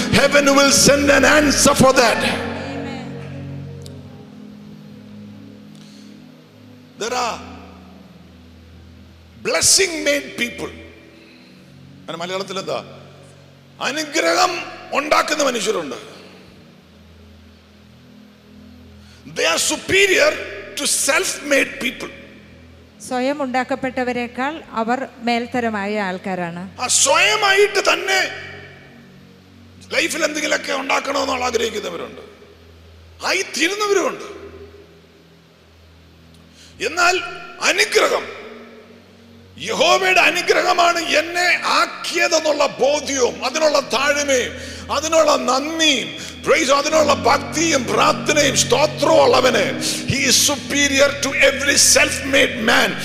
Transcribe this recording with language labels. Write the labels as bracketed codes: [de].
[en] Heaven will send an answer for that. Blessing made people. [ml] അങ്ങനെ മലയാളത്തിൽ എന്താ, അനുഗ്രഹം ഉണ്ടാക്കുന്ന മനുഷ്യരുണ്ട്. [en] They are superior to self-made people. [ml] സ്വയം ഉണ്ടാക്കപ്പെട്ടവരെക്കാൾ അവർ മേൽത്തരമായ ആൾക്കാരാണ്. ആ സ്വയമായിട്ട് തന്നെ ലൈഫിൽ എന്തെങ്കിലുമൊക്കെ ഉണ്ടാക്കണമെന്നുള്ള ആഗ്രഹിക്കുന്നവരുണ്ട്, ആയി തീരുന്നവരുണ്ട്. എന്നാൽ അനുഗ്രഹം, യഹോവയുടെ അനുഗ്രഹമാണ് എന്നെ ആക്കിയതെന്നുള്ള ബോധ്യവും അതിനുള്ള താഴ്മയും അതിനുള്ള നന്ദിയും Praise adinulla bhaktiyum prarthanayum stotram ullavane. [en] He is superior to every self-made man.